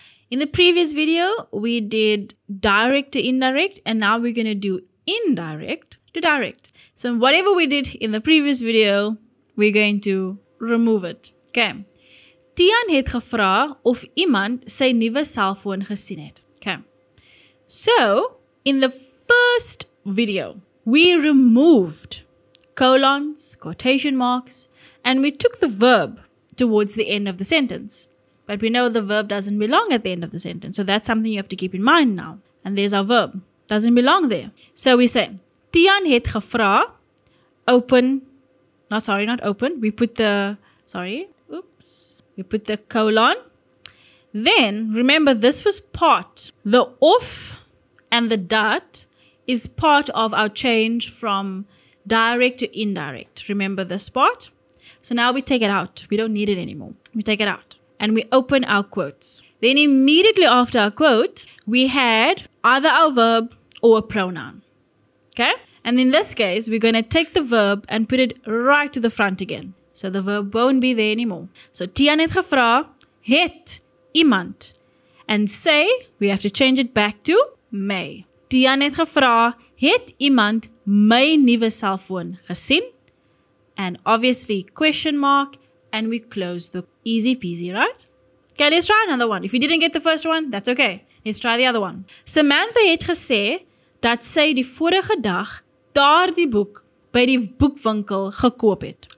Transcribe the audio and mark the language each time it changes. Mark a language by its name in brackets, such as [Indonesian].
[English] In the previous video, we did direct to indirect, and now we're going to do indirect to direct. So whatever we did in the previous video, we're going to remove it. Okay. [Afrikaans] Tian het gevra of iemand sy nuwe selfoon gesien het. [English] Okay. So, in the first video, we removed colons, quotation marks, and we took the verb towards the end of the sentence. But we know the verb doesn't belong at the end of the sentence. So that's something you have to keep in mind now. And there's our verb. Doesn't belong there. So we say, [Afrikaans] Tian het gevra, [English] open, we put the colon. Then, remember, this was part, the of and the dat is part of our change from direct to indirect. Remember this part? So now we take it out. We don't need it anymore. We take it out. And we open our quotes. Then immediately after our quote, we had either our verb or a pronoun. Okay? And in this case, we're going to take the verb and put it right to the front again. So the verb won't be there anymore. [Afrikaans] So Tian het gevra, het iemand. [English] And say, we have to change it back to my. [Afrikaans] Tian het gevra, het iemand my nieuwe cellphone gesien? [English] And obviously, question mark, and we close the easy peasy, right? Okay, let's try another one. If you didn't get the first one, that's okay. Let's try the other one. [Afrikaans] Samantha het gesê dat sy die vorige dag daardie boek by die boekwinkel gekoop het.